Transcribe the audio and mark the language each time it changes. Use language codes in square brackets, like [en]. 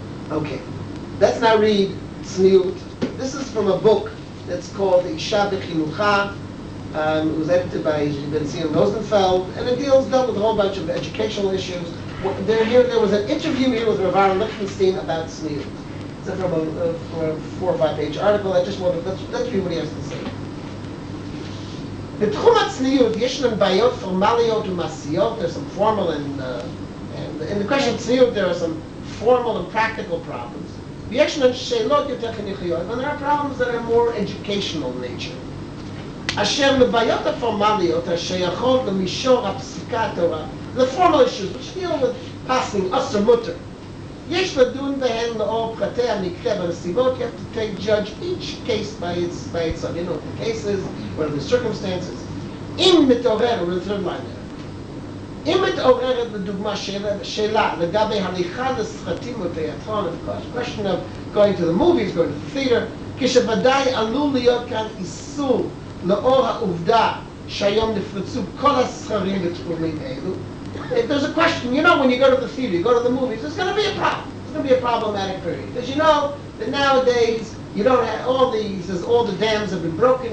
[en] Okay, let's now read Tzniut. This is from a book that's called Isha B'Chinucha. It was edited by Ben Zion Rosenfeld, and it dealt with a whole bunch of educational issues. There was an interview here with Rav Aaron Lichtenstein about Tzniut. It's from a 4 or 5 page article. I just wanted, let's read what he has to say. [he] בתחום הצניות יש לנו בעיות פורמליות ומעשיות. [en] There's some formal and in the question of צניות, there are some formal and practical problems. [he] ויש לנו שאלות יותר חינוכיות, [en] and there are problems that are more educational in nature. [he] אשר מבעיות הפורמליות השייכות למישור הפסיקה התורה, [en] the formal issues, which deal with passing us or mutter. [he] יש לדון בהן לאור פרטי המקרה והנסיבות, [en] you have to take judge each case by its, you know, the cases, what are the circumstances. [he] אם מתעוררת, [en] we're the third line there. [he] אם מתעוררת לדוגמה שאלה לגבי הליכה לסרטים ותיאטרון, [en] of course, question of going to the movies, going to the theater, [he] כשוודאי עלול להיות כאן איסור לאור העובדה שהיום נפרצו כל הסחרים בתחומים אלו. [en] There's a question, you know, when you go to the theater, you go to the movies, it's going to be a problem. It's going to be a problematic period. Because you know that nowadays, you don't have all these, all the dams have been broken.